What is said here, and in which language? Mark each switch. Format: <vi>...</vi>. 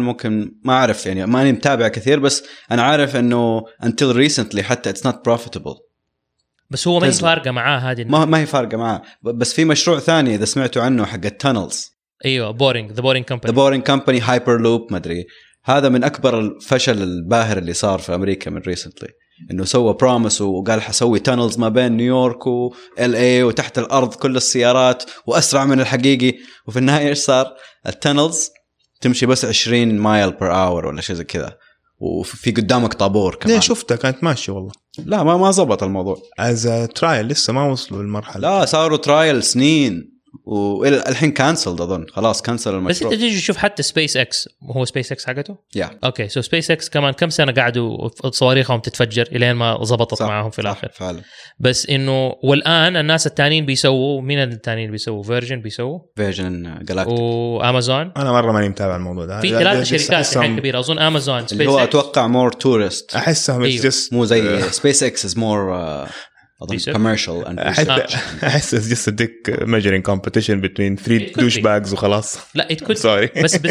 <ar>ممكن ما أعرف يعني ما أنا متابع كثير، بس أنا عارف أنه</ar> <en>until recently</en> <ar>حتى</ar> <en>it's not profitable.</en> <ar>بس هو ما هي فارقة معاه هذه، ما هي فارقة معاه. بس في مشروع ثاني إذا سمعتوا عنه حق التونلز أيوه</ar> <en>boring the boring company the boring company hyperloop</en> <ar>مدري. هذا من أكبر الفشل الباهر اللي صار في أمريكا من</ar> <en>recently,</en> <ar>إنه سوى برامس وقال حسوي تانلز ما بين نيويورك وLA وتحت الأرض كل السيارات وأسرع من الحقيقي، وفي النهاية إيش صار؟ التانلز تمشي بس 20</ar> <en>ميل per hour</en> <ar>ولا شيء زي كذا، وفي قدامك طابور كمان. لا شفتها كانت ماشية والله. لا ما زبط الموضوع.</ar> <en>as trial</en> <ar>لسه ما وصلوا للمرحلة. لا صاروا ترايل سنين. وإلى الحين كانسل أظن خلاص كانسل المشروع. بس أنت تيجي تشوف حتى سبيس إكس، هو سبيس إكس حقته؟</ar> <en>yeah. Okay so</en> <ar>سبيس إكس كمان كم سنة قاعدوا صواريخهم تتفجر إلين ما ضبطت معهم في الآخر. فعلا. بس إنه والآن الناس التانين بيسووا، مين التانين بيسووا؟ فيرجن بيسووا. فيرجن جالاكتيك. وأمازون. أنا مرة ماني متابع الموضوع ده. في ثلاث شركات الحين كبيرة أظن أمازون. اللي هو أتوقع</ar> <en>More tourist.</en> <ar>أحسهم. مو زي سبيس إكس</ar> <en>is more. commercial and research. I just a dick measuring competition between three douchebags</en> <ar>وخلاص. لا</ar> <en>it could sorry.</en>